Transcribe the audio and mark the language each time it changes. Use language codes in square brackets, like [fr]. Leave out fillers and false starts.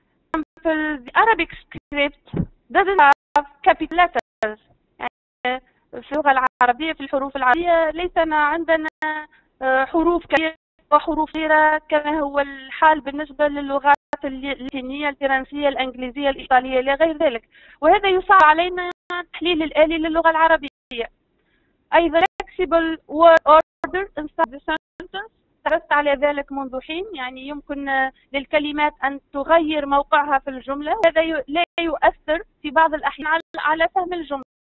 [en] For example, the Arabic script doesn't have capital letters. [ar] في اللغة العربية في الحروف العربية ليسنا عندنا حروف كبيرة وحروف صغيرة كما هو الحال بالنسبة للغات اللاتينية الفرنسية الإنجليزية الإيطالية إلى غير ذلك، وهذا يصعب علينا تحليل الآلي للغة العربية. [en] أيضا flexible word order inside the sentence. [ar] تعرفت على ذلك منذ حين، يعني يمكن للكلمات أن تغير موقعها في الجملة، وهذا لا يؤثر في بعض الأحيان على فهم الجملة.